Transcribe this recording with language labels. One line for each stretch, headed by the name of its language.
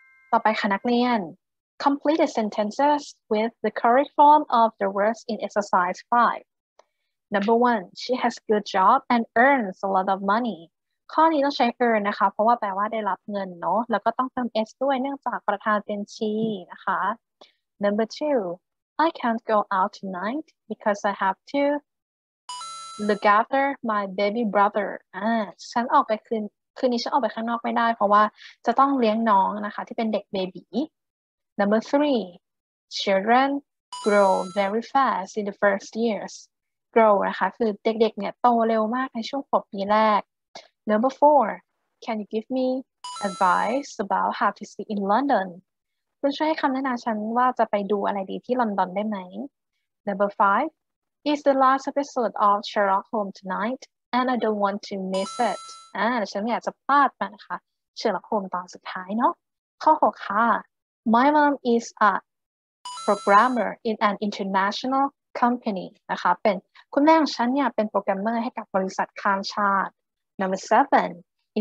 Thai: ต่อไปค่ะนักเรียน
English: complete the sentences with the correct form of the words in exercise 5 number 1 she has good job and earns a lot of money
Thai: ข้อนี้ต้องใช้ earn นะคะเพราะว่าแปลว่าได้รับเงินเนาะแล้วก็ต้องเติม s ด้วยเนื่องจากประธานเป็น she นะคะ
English: number 2 I can't go out tonight because I have toLook after my baby brother.
Thai: ฉันออกไปคืนนี้ฉันออกไปข้างนอกไม่ได้เพราะว่าจะต้องเลี้ยงน้องนะคะที่เป็นเด็กเบบี
English: Number 3. Children grow very fast in the first years.
Thai: Grow นะคะคือเด็กๆ เนี่ยโตเร็วมากในช่วง6ปีแรก
English: Number 4. Can you give me advice about how to see in London?
Thai: คุณช่วยให้คำแนะนำฉันว่าจะไปดูอะไรดีที่ลอนดอนได้ไหม
English: Number 5. Is the last episode of Sherlock Holmes tonight, and I don't want to miss it.
Thai: ฉันไม่อยากจะพลาดมันนะคะ Sherlock Holmes ตอนสุดท้ายเนาะข้อ6ค่ะ
English: My mom is a programmer in an international company.
Thai: นะคะเป็นคุณแม่ของฉันเนี่ยเป็นโปรแกรมเมอร์ให้กับบริษัทข้ามชาติ
English: Number 7.